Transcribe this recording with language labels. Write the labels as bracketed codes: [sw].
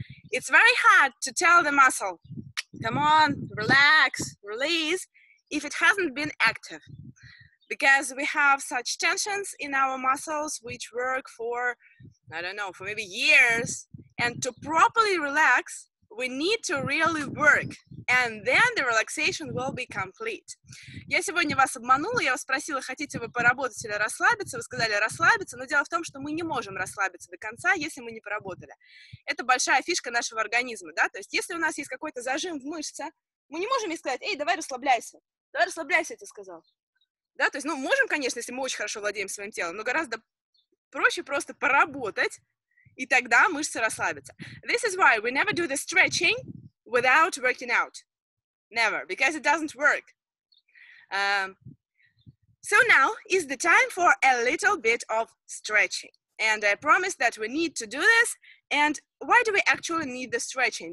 [en] It's very hard to tell the muscle, come on, relax, release, if it hasn't been active. Because we have such tensions in our muscles, which work for, I don't know, for maybe years. And to properly relax, we need to really work. And then the relaxation will be complete. [ru] Я сегодня вас обманула, я вас спросила, хотите вы поработать или расслабиться. Вы сказали расслабиться, но дело в том, что мы не можем расслабиться до конца, если мы не поработали. Это большая фишка нашего организма, да? То есть если у нас есть какой-то зажим в мышце, мы не можем ей сказать, эй, давай расслабляйся, я тебе сказал. Да, то есть, ну, можем, конечно, если мы очень хорошо владеем своим телом, но гораздо проще просто поработать, и тогда мышцы расслабятся. [en] This is why we never do the stretching without working out. Never, because it doesn't work. So now is the time for a little bit of stretching. And I promise that we need to do this. And why do we actually need the stretching?